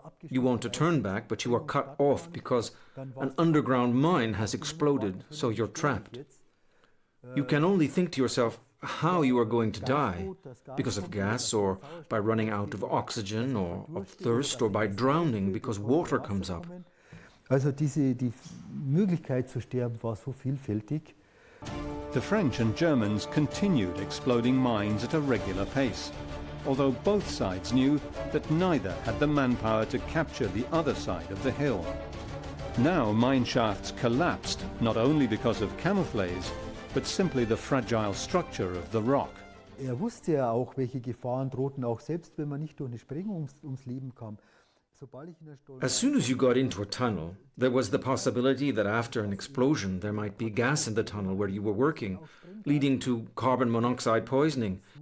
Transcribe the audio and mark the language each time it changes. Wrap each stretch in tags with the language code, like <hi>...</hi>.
<en>You want to turn back, but you are cut off because an underground mine has exploded, so you're trapped. You can only think to yourself how you are going to die, because of gas or by running out of oxygen or of thirst or by drowning because water comes up.</en> <de>Also die Möglichkeit zu sterben war so vielfältig.</de> <en>The French and Germans continued exploding mines at a regular pace, although both sides knew that neither had the manpower to capture the other side of the hill. Now mine shafts collapsed not only because of camouflage, but simply the fragile structure of the rock.</en> <de>Wusste ja auch, welche Gefahren drohten, auch selbst wenn man nicht durch eine Sprengung ums Leben kam.</de> <en>As soon as you got into a tunnel, there was the possibility that after an explosion there might be gas in the tunnel where you were working, leading to carbon monoxide poisoning.</en>